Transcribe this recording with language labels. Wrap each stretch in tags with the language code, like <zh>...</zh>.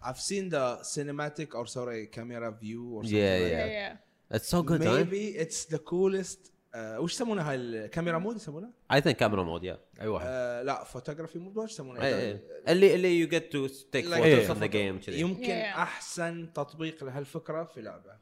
<en>I've seen the cinematic or sorry camera view or something like that. It's so good maybe it's the coolest</en> <ar>وش يسمونها هاي الكاميرا مود يسمونها؟</ar> <en>I think camera mode yeah.</en> <ar>أي واحد؟ لا</ar> <en>photography mode</en> <ar>وش يسمونها؟ اللي</ar> <en>you get to take like photos of the game today.</en> <ar>يمكن</ar> <en>yeah.</en> <ar>أحسن تطبيق لهالفكرة في لعبة.</ar>